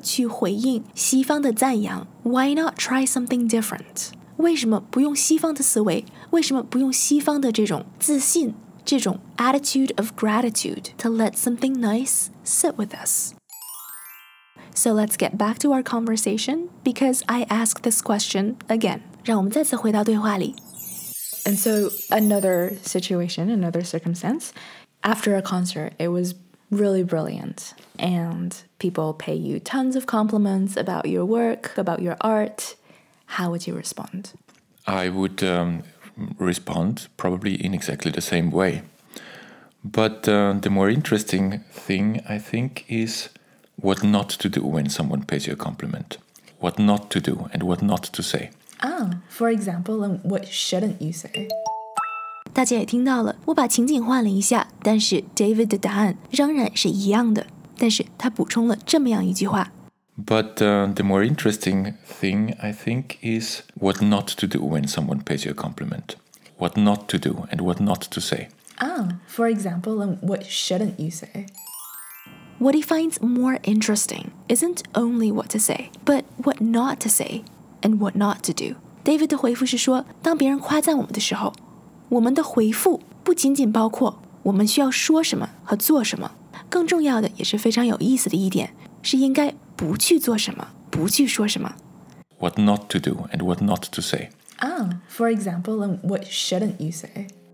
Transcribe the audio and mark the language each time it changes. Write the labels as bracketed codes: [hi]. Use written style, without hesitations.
[zh] 与其用东方的美德去回应西方的赞扬, [en] why not try something different? [zh] 为什么不用西方的思维,为什么不用西方的这种自信, 这种 [en] attitude of gratitude to let something nice sit with us? So let's get back to our conversation, because I ask this question again. [zh] 让我们再次回到对话里。 [en] And so another situation, another circumstance, after a concert, it was really brilliant. And people pay you tons of compliments about your work, about your art. How would you respond? I would respond probably in exactly the same way. But the more interesting thing, I think, is what not to do when someone pays you a compliment. What not to do and what not to say. Ah, for example, what shouldn't you say? [zh] 大家也听到了,我把情景换了一下,但是 David 的答案仍然是一样的,但是他补充了这么样一句话。 [en] But the more interesting thing, I think, is what not to do when someone pays you a compliment. What not to do and what not to say. Ah, for example, what shouldn't you say? What he finds more interesting isn't only what to say, but what not to say and what not to do. [zh] David的回复是说,当别人夸赞我们的时候, 我们的回复不仅仅包括我们需要说什么和做什么,更重要的也是非常有意思的一点,是应该不去做什么,不去说什么。 [en] What not to do and what not to say. Ah, for example, what shouldn't you say?